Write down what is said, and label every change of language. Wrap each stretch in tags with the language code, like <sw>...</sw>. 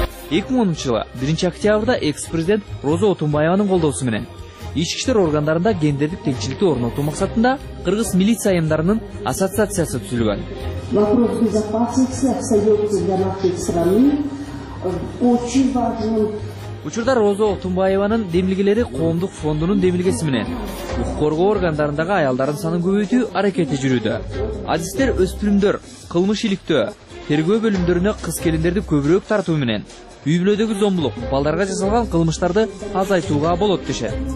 <ky>Эки миң 2010-жылы 1-октябрда экс президент Роза Отунбаеванын колдоосу менен ички иштер органдарында гендердик теңчиликти орнотуу максатында кыргыз милиция айымдарынын ассоциациясы түзүлгөн.</ky> <ru>Вопрос безопасности остается для нашей страны очень важным.</ru> <ky>Учурда Роза Отунбаеванын демилгелери коомдук фондунун демилгеси менен укук коргоо органдарындагы аялдардын санын көбөйтүү аракети жүрүүдө. Адистер өспүрүмдөр кылмыш иликтөө тергөө бөлүмдөрүнө кыз келиндерди көбүрөөк тартуу менен үй бүлөдөгү зомбулук балдарга жасалган кылмыштарды азайтууга болот дешет.</ky>